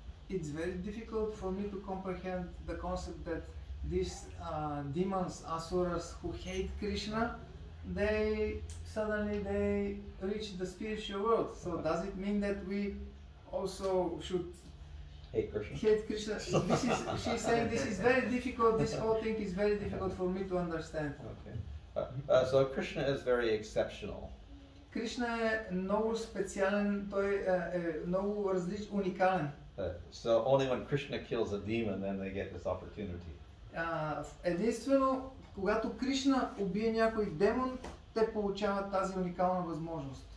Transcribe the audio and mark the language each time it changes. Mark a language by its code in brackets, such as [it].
[en] It's very difficult for me to comprehend the concept that these demons, asuras, who hate Krishna, they suddenly reach the spiritual world. So does it mean that we also should hate Krishna? She's saying this is very difficult, this whole thing is very difficult for me to understand. Okay. So Krishna is very exceptional. [bg] Кришна е много специален, той е много различен, уникален. [en] So only when Krishna kills a demon then they get this opportunity. [bg] Единствено когато Кришна убие някой демон, те получават тази уникална възможност.